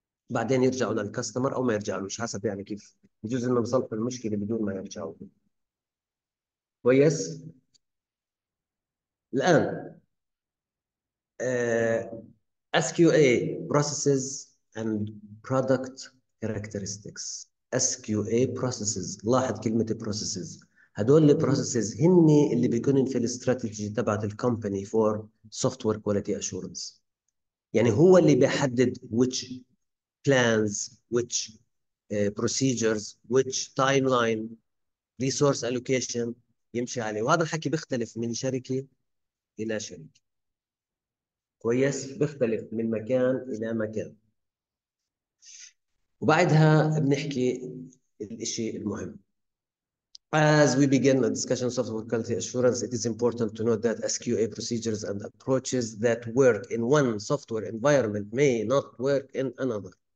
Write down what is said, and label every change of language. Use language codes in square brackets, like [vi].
[ar] بعدين يرجعوا للكاستمر أو ما يرجعوا، مش حسب يعني كيف، يجوز إنه بصلح المشكلة بدون ما يرجعوا. كويس؟ الآن [en] SQA processes and product characteristics. [ar] SQA processes، لاحظ كلمة processes، هدول ال processes هن اللي بيكونوا في الاستراتيجي تبعت ال [en] company for software quality assurance. [ar] يعني هو اللي بيحدد [en] which plans, which procedures, which timeline, resource allocation [ar] يمشي عليه. وهذا الحكي بيختلف من شركة إلى شركة. كويس؟ بيختلف من مكان إلى مكان. وبعدها بنحكي الإشي المهم. [en] As we begin the discussion of software quality assurance, it is important to note that SQA procedures and approaches that work in one software environment may not work in another.